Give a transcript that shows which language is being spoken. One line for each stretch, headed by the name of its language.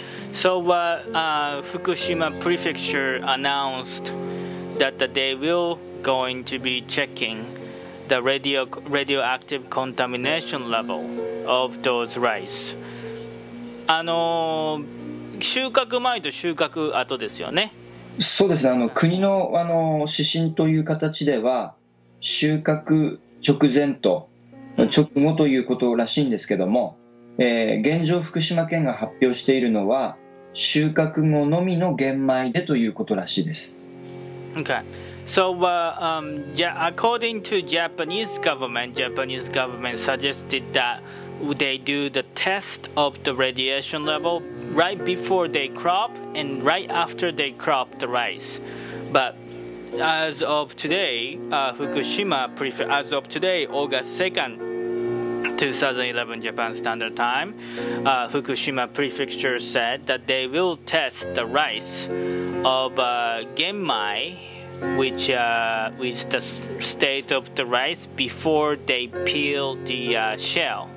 English: So, Fukushima Prefecture announced that they will going to be checking the radioactive contamination level of those rice.
Japanese: 収穫前と収穫後ですよね。そうですね。国の、指針という形では収穫直前と直後ということらしいんですけども、現状福島県が発表しているのは収穫後のみの玄米でということらしいです。
English: Okay. So, according to Japanese government suggested that they do the test of the radiation level right before they crop and right after they crop the rice. But as of today, August 2nd, 2011 Japan Standard Time, Fukushima Prefecture said that they will test the rice of genmai, which is the state of the rice before they peel the shell.